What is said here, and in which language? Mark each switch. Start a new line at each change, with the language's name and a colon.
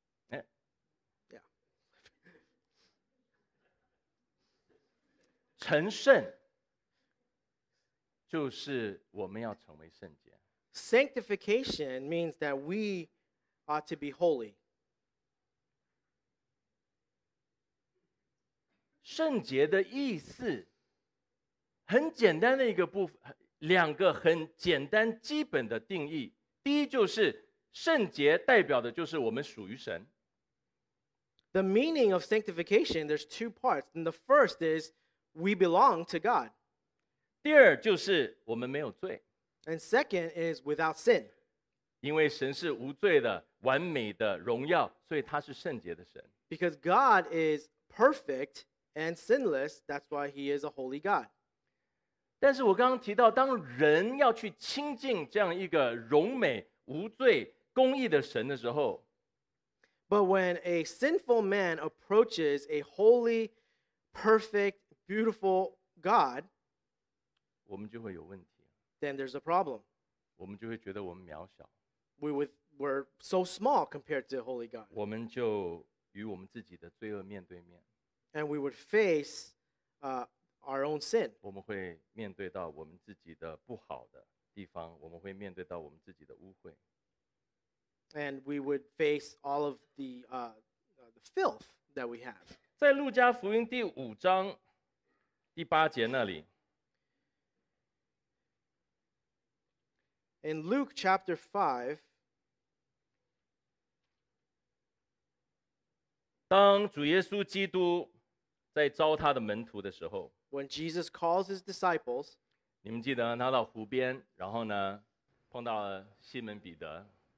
English: Yeah.
Chinese: 成圣。就是我们要成为圣洁。
English: Sanctification means that we ought to be holy.
Chinese: 圣洁的意思，很简单的一个部分，两个很简单基本的定义。第一就是圣洁代表的就是我们属于神。
English: The meaning of sanctification, there's two parts. And the first is we belong to God.
Chinese: 第二就是我们没有罪。
English: And second is without sin.
Chinese: 因为神是无罪的，完美的荣耀，所以他是圣洁的神。
English: Because God is perfect and sinless, that's why he is a holy God.
Chinese: 但是我刚刚提到，当人要去亲近这样一个荣美、无罪、公义的神的时候，
English: But when a sinful man approaches a holy, perfect, beautiful God,
Chinese: 我们就会有问题。
English: Then there's a problem.
Chinese: 我们就会觉得我们渺小。
English: We're so small compared to a holy God.
Chinese: 我们就与我们自己的罪恶面对面。
English: And we would face our own sin.
Chinese: 我们会面对到我们自己的不好的地方，我们会面对到我们自己的污秽。
English: And we would face all of the filth that we have.
Chinese: 在路加福音第五章第八节那里。
English: In Luke chapter 5,
Chinese: 当主耶稣基督在招他的门徒的时候，
English: When Jesus calls his disciples,
Chinese: 你们记得他到湖边，然后呢，碰到了西门彼得。